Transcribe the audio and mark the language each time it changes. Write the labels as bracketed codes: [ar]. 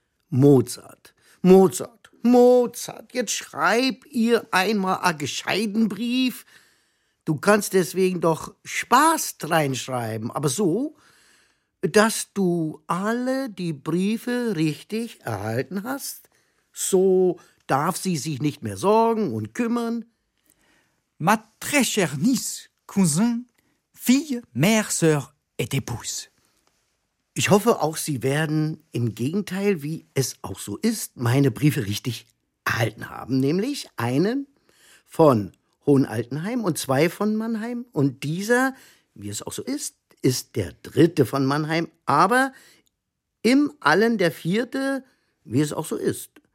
[de] Mozart, Mozart, Mozart, jetzt schreib ihr einmal einen gescheiten Brief. Du kannst deswegen doch Spaß reinschreiben, aber so, dass du alle die Briefe richtig erhalten hast. So darf sie sich nicht mehr sorgen und kümmern. [fr] Ma très chère Nice, Cousin, fille, mère, sœur et épouse. [de] Ich hoffe auch, sie werden im Gegenteil, wie es auch so ist, meine Briefe richtig erhalten haben, nämlich einen von Hohenaltenheim und zwei von Mannheim. Und dieser, wie es auch so ist, ist der dritte von Mannheim, aber im Allen der vierte, wie es auch so ist.